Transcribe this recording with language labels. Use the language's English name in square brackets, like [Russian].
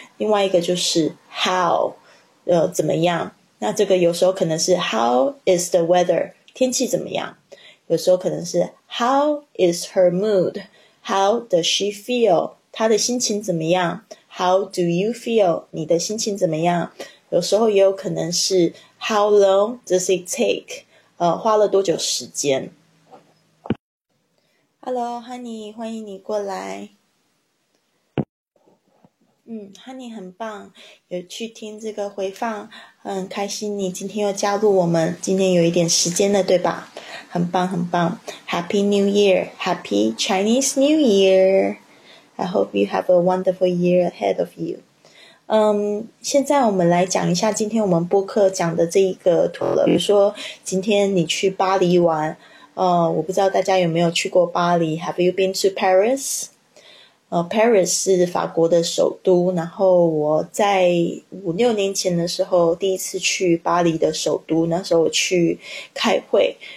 [Chinese] 另外一个就是 how，怎么样？那这个有时候可能是 [English] how is the weather， [Chinese] 天气怎么样？有时候可能是 [English] how is her mood，how does she feel， [Chinese] 她的心情怎么样？ [English] How do you feel， [Chinese] 你的心情怎么样？有时候也有可能是 [English] how long does it take。 [Chinese] 花了多久时间？ [English] Hello, Honey， [Chinese] 欢迎你过来。 Honey 很棒，有去听这个回放，很开心你今天又加入我们，今天有一点时间了，对吧？很棒，很棒。 [English] Happy New Year, Happy Chinese New Year. I hope you have a wonderful year ahead of you. [Chinese] 现在我们来讲一下今天我们播客讲的这一个图了。比如说，今天你去巴黎玩，我不知道大家有没有去过巴黎？ [English] Have you been to Paris？ [Chinese] Paris 是法国的首都。然后我在5、6年前的时候，第一次去巴黎的首都，那时候我去开会。